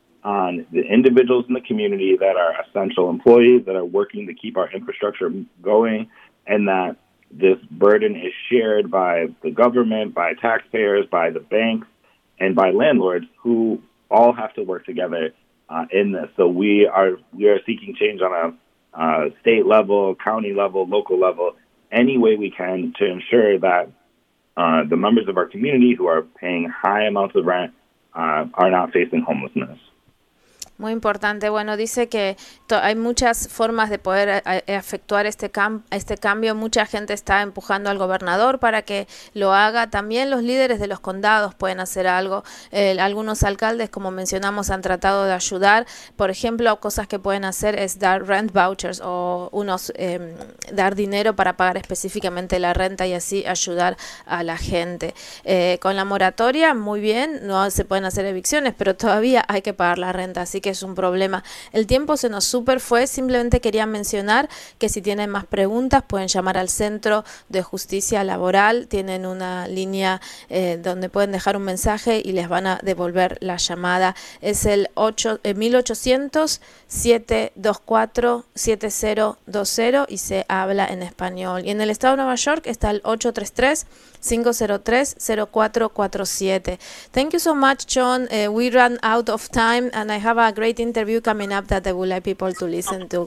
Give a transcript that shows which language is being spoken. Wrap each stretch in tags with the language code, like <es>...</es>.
<en>on the individuals in the community that are essential employees that are working to keep our infrastructure going, and that this burden is shared by the government, by taxpayers, by the banks, and by landlords, who all have to work together in this. So we are seeking change on a state level, county level, local level, any way we can to ensure that the members of our community who are paying high amounts of rent are not facing homelessness.</en> <es>Muy importante. Bueno, dice que hay muchas formas de poder efectuar este cambio. Mucha gente está empujando al gobernador para que lo haga. También los líderes de los condados pueden hacer algo. Algunos alcaldes, como mencionamos, han tratado de ayudar. Por ejemplo, cosas que pueden hacer es dar rent vouchers o unos dar dinero para pagar específicamente la renta y así ayudar a la gente. Con la moratoria, muy bien, no se pueden hacer evicciones, pero todavía hay que pagar la renta. Así que es un problema. El tiempo se nos super fue. Simplemente quería mencionar que si tienen más preguntas pueden llamar al Centro de Justicia Laboral. Tienen una línea donde pueden dejar un mensaje y les van a devolver la llamada. Es el 1-800-724-7020 y se habla en español. Y en el estado de Nueva York está el 833-503-0447.</es> <en>Thank you so much, John. We ran out of time and I have a great interview coming up that I would like people to listen to.</en>